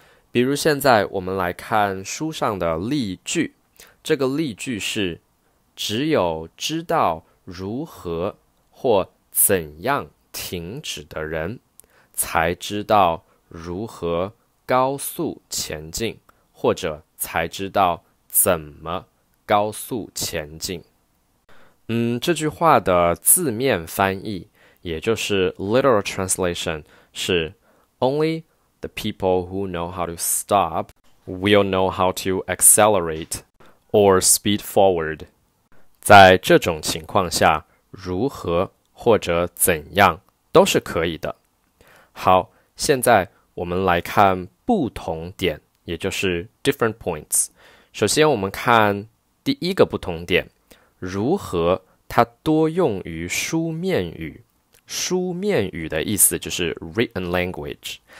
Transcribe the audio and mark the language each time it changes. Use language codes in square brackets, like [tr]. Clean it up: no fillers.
[zh] 比如现在我们来看书上的例句，这个例句是只有知道如何或怎样停止的人才知道如何高速前进，或者才知道怎么高速前进。这句话的字面翻译，也就是 [en] literal translation， [zh] 是 [en] Only the people who know how to stop will know how to accelerate or speed forward。 [zh] 在这种情况下，如何或者怎样都是可以的。好，现在我们来看不同点，也就是 [en] different points。 [zh] 首先我们看第一个不同点，如何它多用于书面语，书面语的意思就是 [en] written language。